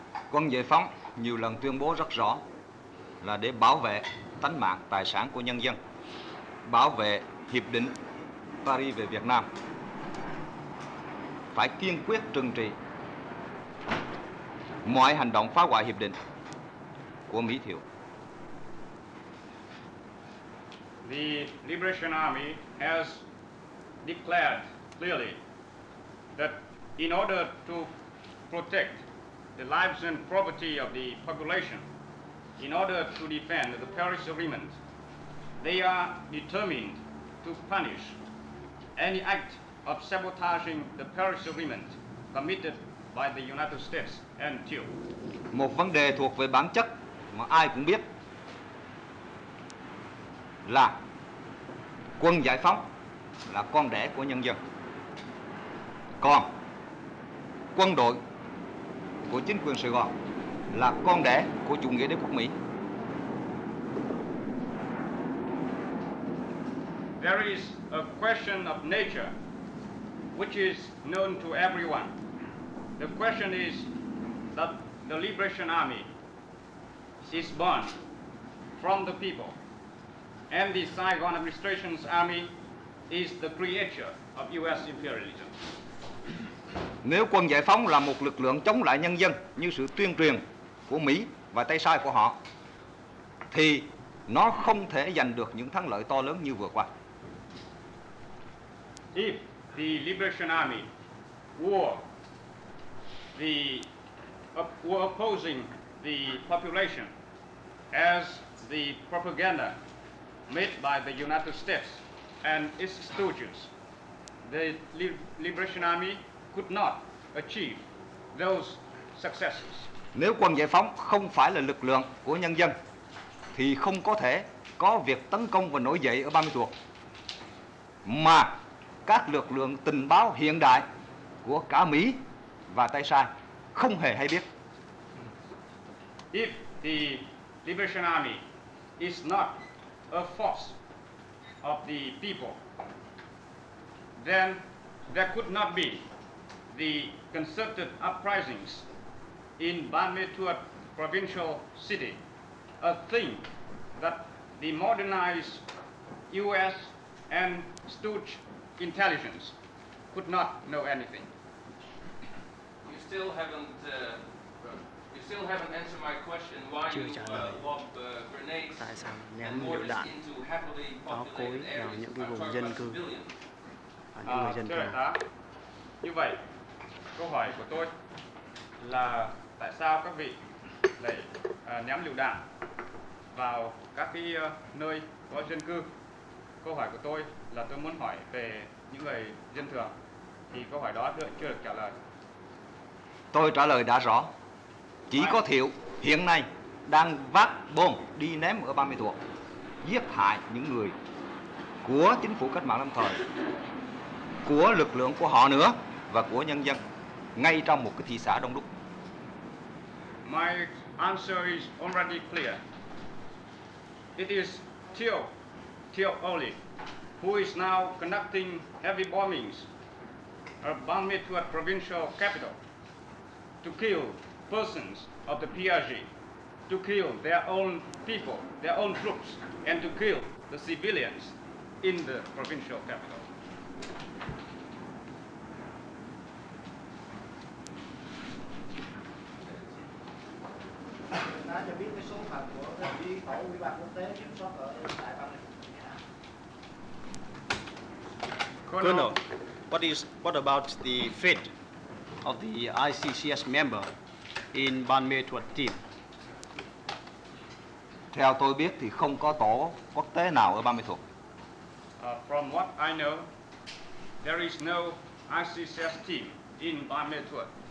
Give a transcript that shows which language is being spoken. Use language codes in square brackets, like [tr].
[vi] Quân giải phóng nhiều lần tuyên bố rất rõ là để bảo vệ tánh mạng tài sản của nhân dân, bảo vệ hiệp định Paris về Việt Nam, phải kiên quyết trừng trị mọi hành động phá hoại hiệp định của Mỹ Thiệu. [en] The Liberation Army has declared clearly that in order to protect the lives and property of the population, in order to defend the Paris Agreement, they are determined to punish any act of sabotaging the Paris Agreement committed by the United States and Thieu. [vi] Một vấn đề thuộc về bản chất mà ai cũng biết là quân giải phóng là con đẻ của nhân dân. Còn quân đội của chính quyền Sài Gòn là con đẻ của chủ nghĩa đế quốc Mỹ. [en] There is a question of nature which is known to everyone. The question is that the Liberation Army is born from the people and the Saigon administration's army is the creature of US imperialism. [vi] Nếu quân giải phóng là một lực lượng chống lại nhân dân như sự tuyên truyền của Mỹ và tay sai của họ thì nó không thể giành được những thắng lợi to lớn như vừa qua. [en] If the Liberation Army were the were opposing the population as the propaganda made by the United States and its stooges, the Liberation Army could not achieve those successes. [vi] Nếu quân giải phóng không phải là lực lượng của nhân dân thì không có thể có việc tấn công và nổi dậy ở Ba Mươi Thuộc, mà các lực lượng tình báo hiện đại của cả Mỹ và tay sai không hề hay biết. [en] If the Liberation Army is not a force of the people, then there could not be the concerted uprisings in Ban My Thuot provincial city, a thing that the modernized US and stooge intelligence could not know anything. You still haven't answered my question why you lob grenades [vi] tại sao ném lựu đạn chó cối vào những cái vùng dân cư và những người dân thường. Như vậy, câu hỏi của tôi là tại sao các vị lại ném lựu đạn vào các cái nơi có dân cư? Câu hỏi của tôi là tôi muốn hỏi về những người dân thường, thì câu hỏi đó chưa được trả lời. Tôi trả lời đã rõ. Chỉ có Thiệu hiện nay đang vác bom đi ném ở 30 thuộc, giết hại những người của chính phủ cách mạng lâm thời, của lực lượng của họ nữa và của nhân dân ngay trong một cái thị xã đông đúc. [en] My answer is already clear. It is Thiệu only who is now conducting heavy bombings of Ban Mê Thuột provincial capital to kill persons of the PRG, to kill their own people, their own troops, and to kill the civilians in the provincial capital. Colonel, what about the fate of the ICCS member in Ban Mê Thuột team? [vi] Theo tôi biết thì không có tổ quốc tế nào ở Ban Mê Thuột. [en] From what I know, there is no ICCS team in Ban Mê Thuột.